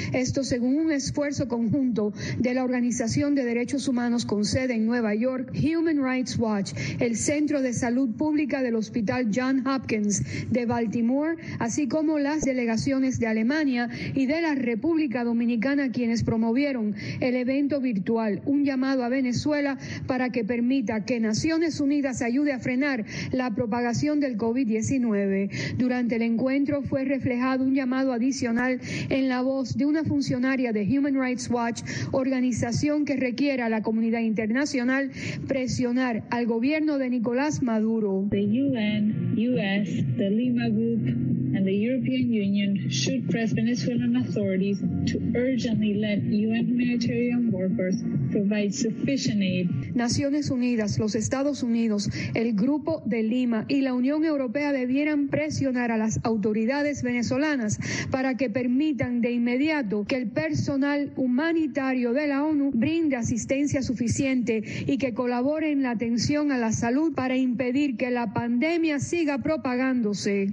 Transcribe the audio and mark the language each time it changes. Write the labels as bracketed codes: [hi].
[es] Esto según un esfuerzo conjunto de la Organización de Derechos Humanos con sede en Nueva York, Human Rights Watch, el Centro de Salud Pública del Hospital Johns Hopkins de Baltimore, así como las delegaciones de Alemania y de la República Dominicana, quienes promovieron el evento virtual, un llamado a Venezuela para que permita que Naciones Unidas ayude a frenar la propagación del COVID-19. Durante el encuentro fue reflejado un llamado adicional en la voz de una funcionaria de Human Rights Watch, organización que requiere a la comunidad internacional presionar al gobierno de Nicolás Maduro. [en] The UN, US, the Lima Group and the European Union should press Venezuelan authorities to urgently let UN humanitarian workers provide sufficient aid. [es] Naciones Unidas, los Estados Unidos, el Grupo de Lima y la Unión Europea debieran presionar a las autoridades venezolanas para que permitan de inmediato que el personal humanitario de la ONU brinde asistencia suficiente y que colabore en la atención a la salud para impedir que la pandemia siga propagándose.